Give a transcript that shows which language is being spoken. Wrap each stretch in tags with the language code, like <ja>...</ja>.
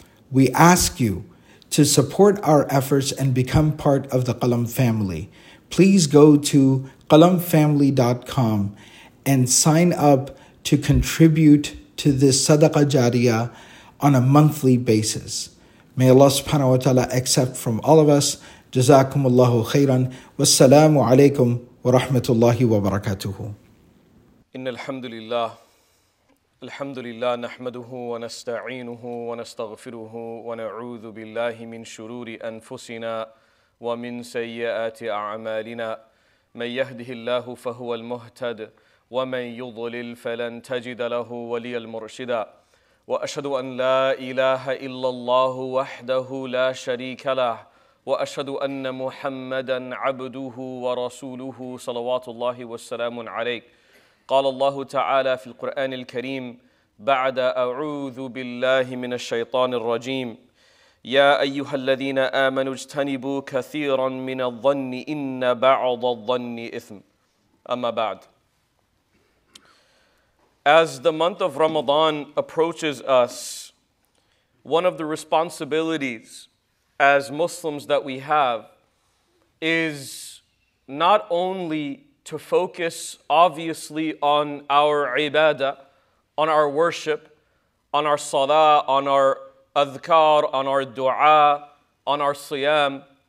<en>We ask you to support our efforts and become part of the Qalam family. Please go to qalamfamily.com and sign up to contribute to this Sadaqah Jariyah on a monthly basis. May Allah subhanahu wa ta'ala accept from all of us.</en> <ar>جزاكم الله خيرا والسلام عليكم ورحمة الله وبركاته إن الحمد لله الحمد لله نحمده ونستعينه ونستغفره ونعوذ بالله من شرور أنفسنا ومن سيئات أعمالنا من يهده الله فهو المهتد ومن يضلل فلن تجد له وليا مرشدا وأشهد أن لا إله إلا الله وحده لا شريك له وأشهد أن محمدًا عبده ورسوله صلوات الله والسلام عليه قال الله تعالى في القرآن الكريم بعد أعوذ بالله من الشيطان الرجيم يا أيها الذين آمنوا اجتنبوا كثيرًا من الظن إن بعض الظن إثم أما بعد.</ar> <en>As the month of Ramadan approaches us, one of the responsibilities as Muslims that we have is not only to focus obviously on our ibadah, on our worship, on our salah, on our adhkar, on our dua, on our siyam,</en>